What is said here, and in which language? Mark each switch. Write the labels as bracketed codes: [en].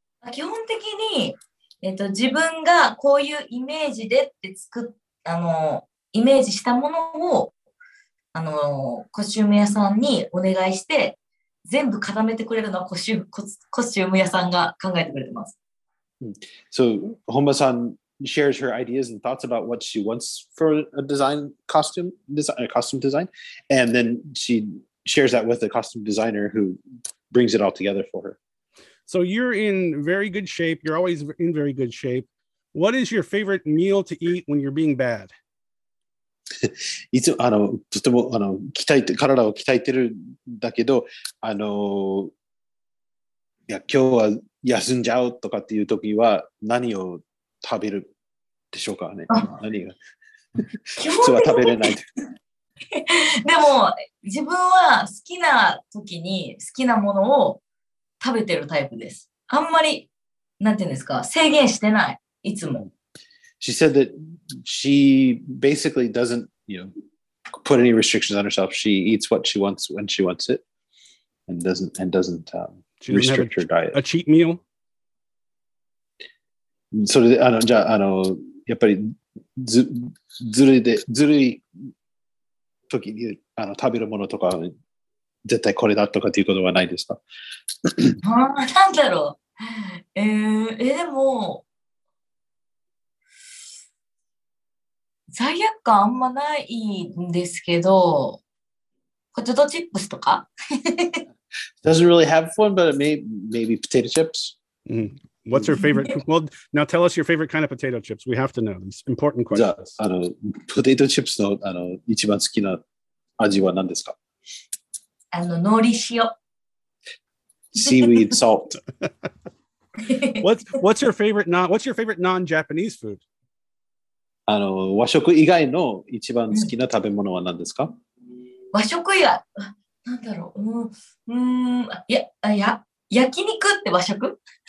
[ja] 基本的に、自分がこういうイメージでって作っイメージしたものをコスチューム屋さんにお願いして全部固めてくれるのはコスチューム屋さんが考えてくれてます。 [en] So, Honma san shares her ideas and thoughts about what she wants for a design costume, a costume design, and then she shares that with a costume designer who brings it all together for her. So you're in very good shape. You're always in very good shape. What is your favorite meal to eat when you're being bad? [ja] いつもとても鍛えて体を鍛えてるんだけど、いや今日は休んじゃうとかっていう時は何を食べるでしょうかね。何が普通は食べれないでも自分は好きな時に好きなものを食べてるタイプです。あんまりなんていうんですか、制限してない、いつも。 [en] She said that she basically doesn't, you know, put any restrictions on herself. She eats what she wants when she wants it and doesn't restrict her diet. A cheat meal? [ja] So, やっぱりずるい時に食べるものとか絶対これだとかっていうことはないですか？なんだろう。でも罪悪感あんまないんですけど、ポテトチップスとか [en] Doesn't really have fun, but maybe potato chips.、 What's your favorite? Well, now tell us your favorite kind of potato chips. We have to know. It's important question. [ja] じゃあ、ポテトチップスの一番好きな味は何ですか？海苔塩。 [en] Seaweed salt. What's your favorite what's your favorite non-Japanese food? [ja] 和食以外の一番好きな食べ物は何ですか？和食以外、なんだろう、焼肉って和食？